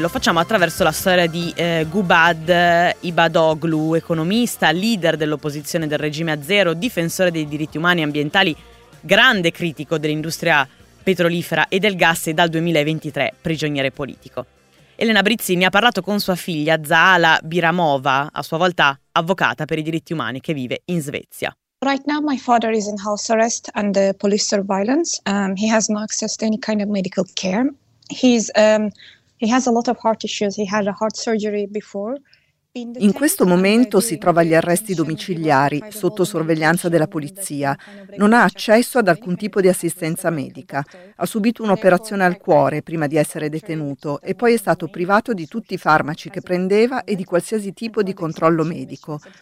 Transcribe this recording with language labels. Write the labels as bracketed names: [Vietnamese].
[Italian] Lo facciamo attraverso la storia di Gubad Ibadoglu, economista, leader dell'opposizione del regime azero, difensore dei diritti umani e ambientali, grande critico dell'industria petrolifera e del gas e dal 2023 prigioniere politico. Elena Brizzini ha parlato con sua figlia Zala Biramova, a sua volta avvocata per i diritti umani, che vive in Svezia. [English] Right now my father is in house arrest under police surveillance. He has no access to any kind of medical care. He has a lot of heart issues. He had a heart surgery before. [Italian] In questo momento si trova agli arresti domiciliari, sotto sorveglianza della polizia. Non ha accesso ad alcun tipo di assistenza medica. Ha subito un'operazione al cuore prima di essere detenuto e poi è stato privato di tutti i farmaci che prendeva e di qualsiasi tipo di controllo medico.